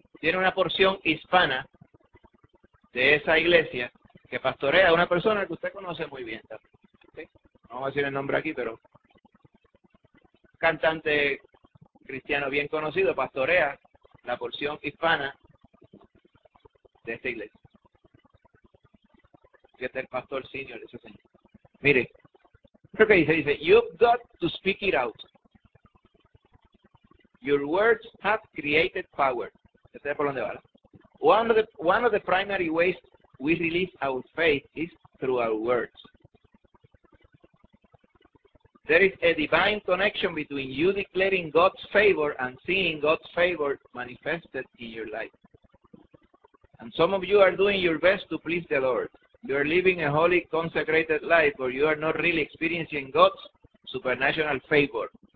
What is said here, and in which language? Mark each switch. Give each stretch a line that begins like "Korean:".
Spanish: Tiene una porción hispana de esa iglesia que pastorea a una persona que usted conoce muy bien, ¿okay? No vamos a decir el nombre aquí, pero cantante cristiano bien conocido pastorea la porción hispana de esta iglesia. Que es el pastor senior, ese señor. Mire, creo que dice,
English: you've got to speak it out. Your words have created power.
Spanish: ¿Este es por dónde va?
English: One of the primary ways we release our faith is through our words. There is a divine connection between you declaring God's favor and seeing God's favor manifested in your life. And some of you are doing your best to please the Lord. You are living a holy, consecrated life, but you are not really experiencing God's supernatural favor.